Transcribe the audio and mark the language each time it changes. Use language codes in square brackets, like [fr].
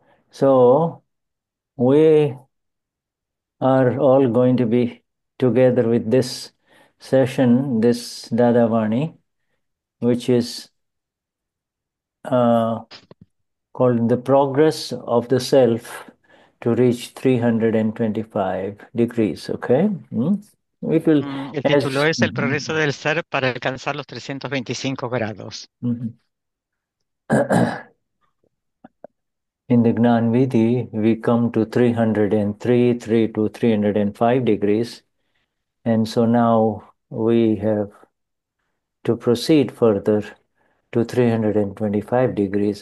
[en] So we are all going to be together with this session, this Dadavani, which is called the progress of the self to reach 325 degrees. Okay, it will [es] El título [en] as [es] es El progreso del ser para alcanzar los 325 grados. [en] In the Gnanvidhi, we come to 303, 3 to 305 degrees. And so now we have to proceed further to 325 degrees.